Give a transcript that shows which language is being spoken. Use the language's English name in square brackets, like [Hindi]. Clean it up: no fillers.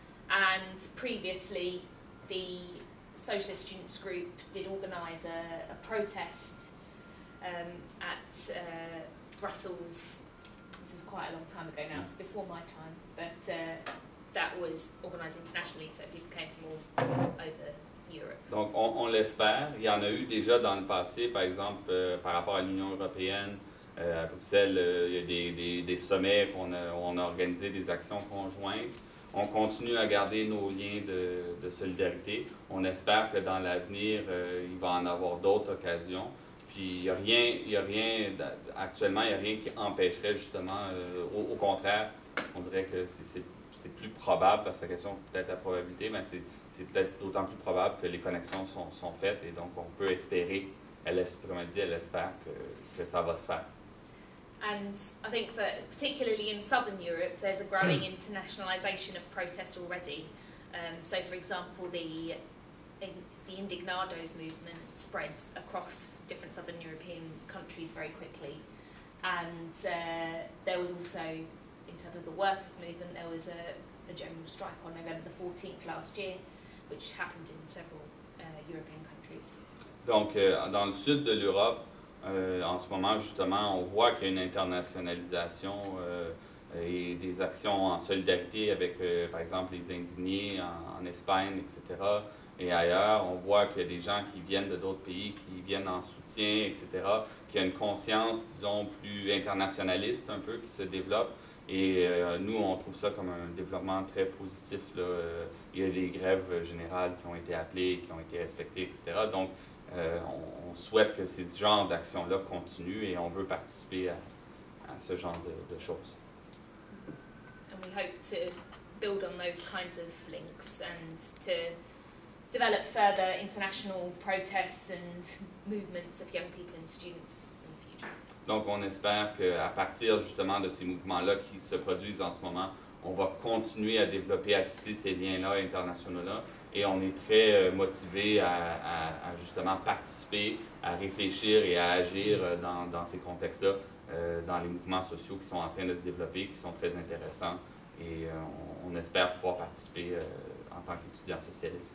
[English] And previously, the Socialist Students Group did organise a protest at Brussels. This is quite a long time ago now, it's before my time, but that was organised internationally, so people came from all over Europe. [French] Donc on l'espère, il y en a eu déjà dans le passé, par exemple par rapport à l'Union Européenne, à Bruxelles, il y a des sommets où on a organisé des actions conjointes. On continue à garder nos liens de solidarité. On espère que dans l'avenir, il va en avoir d'autres occasions. Puis il n'y a rien qui empêcherait justement, au contraire, on dirait que c'est plus probable, parce que la question peut-être la probabilité, mais c'est peut-être d'autant plus probable que les connexions sont faites, et donc on peut espérer, comme elle dit, elle espère que ça va se faire. [English] And I think that particularly in southern Europe, there's a growing internationalisation of protests already. So, for example, the Indignados movement spread across different southern European countries very quickly. And there was also, in terms of the workers' movement, there was a general strike on November the 14th last year, which happened in several European countries. [French] Donc, dans le sud de l'Europe, en ce moment, justement, on voit qu'il y a une internationalisation et des actions en solidarité avec, par exemple, les indignés en Espagne, etc. Et ailleurs, on voit qu'il y a des gens qui viennent de d'autres pays, qui viennent en soutien, etc., qu'il y a une conscience, disons, plus internationaliste un peu, qui se développe. Et nous, on trouve ça comme un développement très positif, là. Il y a des grèves générales qui ont été appelées, qui ont été respectées, etc. Donc, on souhaite que ces genres d'actions-là continuent et on veut participer à ce genre de choses. [English] And we hope to build on those kinds of links and to develop further international protests and movements of young people and students in the future. [French] Donc on espère qu'à partir justement de ces mouvements-là qui se produisent en ce moment, on va continuer à développer, à tisser ces liens-là internationaux-là. Et on est très motivé à justement participer, à réfléchir et à agir dans ces contextes-là, dans les mouvements sociaux qui sont en train de se développer, qui sont très intéressants. Et on espère pouvoir participer en tant qu'étudiant socialiste.